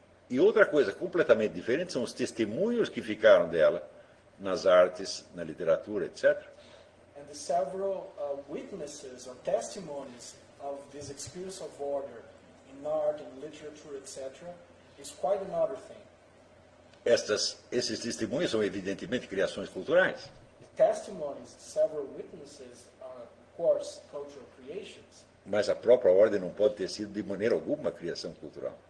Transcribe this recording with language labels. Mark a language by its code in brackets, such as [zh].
[pt] E outra coisa completamente diferente são os testemunhos que ficaram dela nas artes, na literatura, etc. [en] And the several witnesses or testimonies of this experience of order in art and literature, etc., is quite another thing. [pt] Esses testemunhos são evidentemente criações culturais. [en] The testimonies, several witnesses are of course cultural creations. [pt] Mas a própria ordem não pode ter sido de maneira alguma criação cultural.